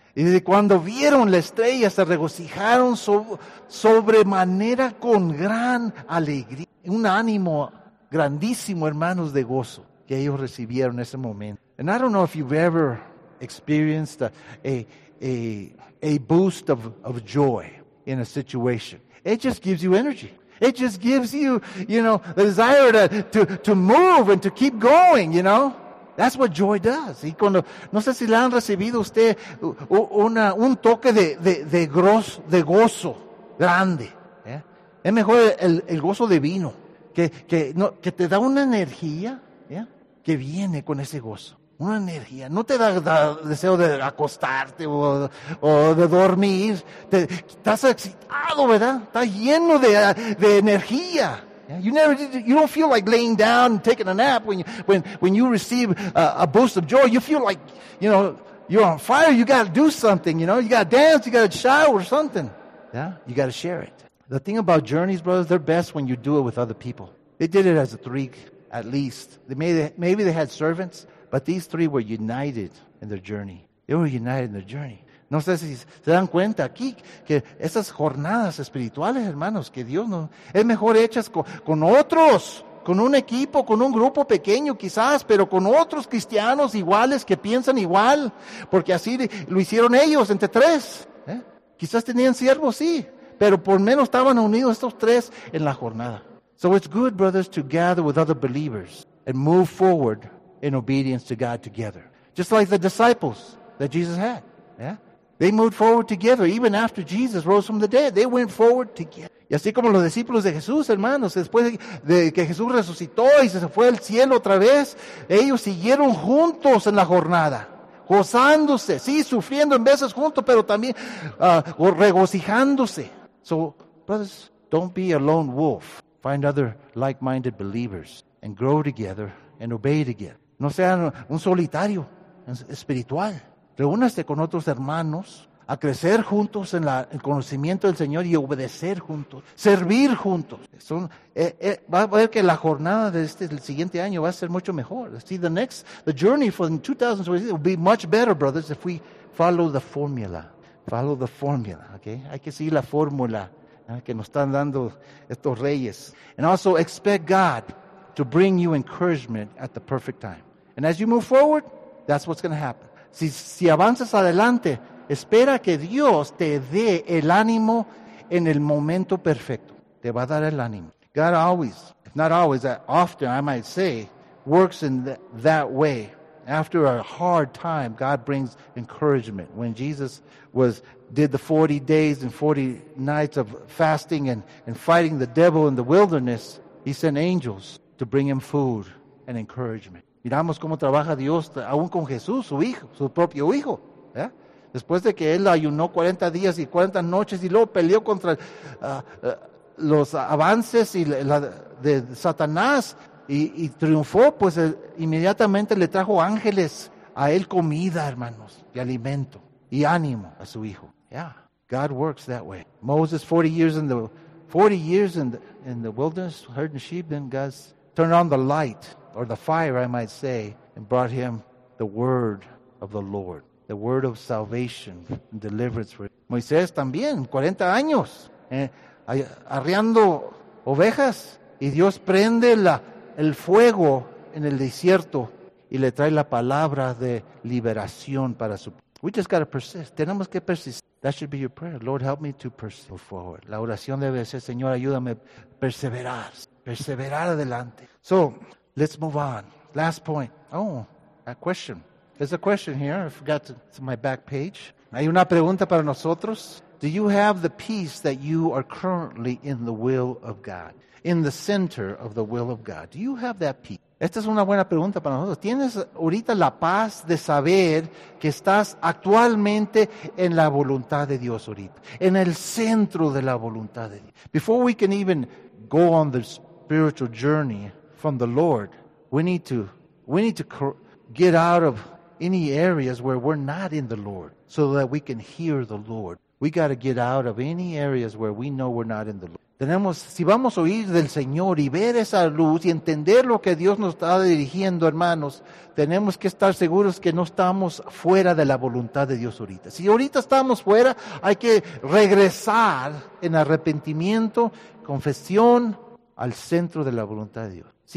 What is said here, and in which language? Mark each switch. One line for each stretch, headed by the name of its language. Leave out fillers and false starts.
Spanish: Y dice, cuando vieron la estrella, se regocijaron sobremanera con gran alegría. Un ánimo grandísimo, hermanos, de gozo que ellos recibieron en ese momento.
English: And I don't know if you've ever experienced a boost of joy in a situation. It just gives you energy. It just gives you, you know, the desire to move and to keep going, you know. That's what joy does.
Spanish: Y cuando, no sé si le han recibido usted un toque de gozo grande. ¿Eh? Es mejor el gozo divino que te da una energía, ¿eh? Que viene con ese gozo. Una energía. No te da deseo de acostarte o de dormir. Estás excitado, ¿verdad? Estás lleno de energía.
English: Yeah? You don't feel like laying down and taking a nap when you receive a boost of joy. You feel like, you know, you're on fire. You got to do something, you know. You got to dance. You got to shower or something. Yeah? You got to share it. The thing about journeys, brothers, they're best when you do it with other people. They did it as a three, at least. Maybe they had servants. But these three were united in their journey. They were united in their journey.
Spanish: No sé si se dan cuenta aquí que esas jornadas espirituales, hermanos, que Dios no es mejor hechas con otros, con un equipo, con un grupo pequeño quizás, pero con otros cristianos iguales que piensan igual, porque así lo hicieron ellos entre tres. ¿Eh? Quizás tenían siervos, sí, pero por menos estaban unidos estos tres en la jornada.
English: So it's good, brothers, to gather with other believers and move forward in obedience to God together. Just like the disciples that Jesus had. Yeah? They moved forward together even after Jesus rose from the dead. They went forward together.
Spanish: Y así como los discípulos de Jesús, hermanos, después de que Jesús resucitó y se fue al cielo otra vez, ellos siguieron juntos en la jornada, gozándose, sí, sufriendo en veces juntos, pero también regocijándose.
English: So, brothers, don't be a lone wolf. Find other like-minded believers and grow together and obey together.
Spanish: No sean un solitario espiritual. Reúnase con otros hermanos a crecer juntos en el conocimiento del Señor y obedecer juntos, servir juntos. Va a ver que la jornada de el siguiente año va a ser mucho mejor.
English: See, the journey for 2020 will be much better, brothers, if we follow the formula. Follow the formula, okay?
Spanish: Hay que seguir la fórmula que nos están dando estos reyes.
English: And also expect God to bring you encouragement at the perfect time. And as you move forward, that's what's going to happen.
Spanish: Si avanzas adelante, espera que Dios te dé el ánimo en el momento perfecto. Te va a dar el ánimo.
English: God always, if not always, often I might say, works in that way. After a hard time, God brings encouragement. When Jesus did the 40 days and 40 nights of fasting and fighting the devil in the wilderness, he sent angels to bring him food and encouragement.
Spanish: Miramos cómo trabaja Dios aún con Jesús, su hijo, su propio hijo. ¿Eh? Después de que él ayunó 40 días y 40 noches y luego peleó contra los avances y de Satanás y triunfó, pues inmediatamente le trajo ángeles a él, comida, hermanos, y alimento y ánimo a su hijo.
English: Yeah, God works that way. Moses, 40 years in the wilderness, herding sheep, then God turned on the light, or the fire, I might say, and brought him the word of the Lord. The word of salvation and deliverance.
Spanish: Moisés también, 40 años, arriando ovejas, y Dios prende el fuego en el desierto y le trae la palabra de liberación para su.
English: We just got to persist.
Spanish: Tenemos que persistir.
English: That should be your prayer. Lord, help me to persist forward.
Spanish: La oración debe ser, Señor, ayúdame a perseverar. Perseverar adelante.
English: So, let's move on. Last point. Oh, a question. There's a question here. I forgot to my back page.
Spanish: Hay una pregunta para nosotros.
English: Do you have the peace that you are currently in the will of God? In the center of the will of God. Do you have that peace?
Spanish: Esta es una buena pregunta para nosotros. ¿Tienes ahorita la paz de saber que estás actualmente en la voluntad de Dios ahorita? En el centro de la voluntad de Dios.
English: Before we can even go on the spiritual journey from the Lord, we need to get out of any areas where we're not in the Lord so that we can hear the Lord. We got to get out of any areas where we know we're not in the Lord.
Spanish: Si vamos a oír del Señor y ver esa luz y entender lo que Dios nos está dirigiendo, hermanos, tenemos que estar seguros que no estamos fuera de la voluntad de Dios ahorita. Si ahorita estamos fuera, hay que regresar en arrepentimiento, confesión, al centro de la voluntad de Dios.